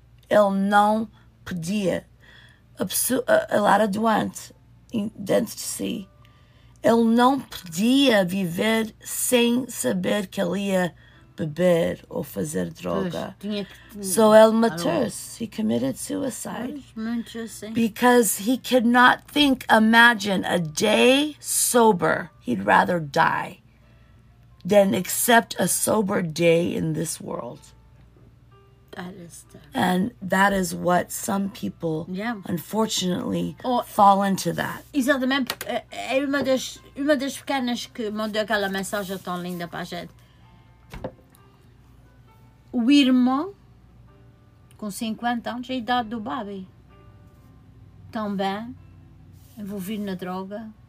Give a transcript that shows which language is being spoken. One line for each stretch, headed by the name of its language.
Portuguese: Ele não podia. Ele era doente. Dentro de si, ele não podia viver sem saber que ele ia beber ou fazer droga. So ele matou-se.
English: He committed suicide. Because he could not think, imagine a day sober. He'd rather die than accept a sober day in this world. And that is what some people, unfortunately, fall into that.
Portuguese: Exatamente. É uma das pequenas que mandou aquela mensagem tão linda para a gente. O irmão, com 50 anos, a idade do Bobby, também envolvido na droga.